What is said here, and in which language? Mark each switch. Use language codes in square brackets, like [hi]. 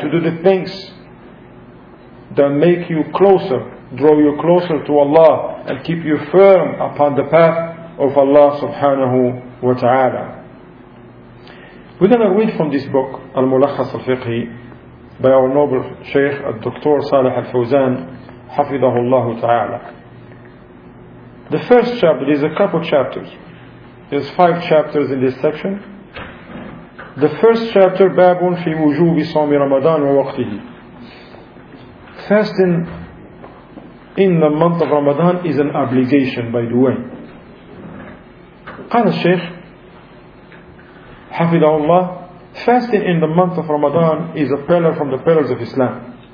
[en] To do the things that make you closer, draw you closer to Allah, and keep you firm upon the path of Allah subhanahu wa ta'ala. We're going to read from this book, Al-Mulakhas Al-Fiqhi, by our noble Shaykh, Dr. [ar] Saleh Al-Fawzan, حفظه الله تعالى. [en] The first chapter is a couple chapters. There's five chapters in this section. The first chapter, [ar] باب في وجوب صوم رمضان ووقته. [en] Fasting in the month of Ramadan is an obligation, by the way. [ar] قال الشيخ حفظه الله, [en] fasting in the month of Ramadan is a pillar from the pillars of Islam.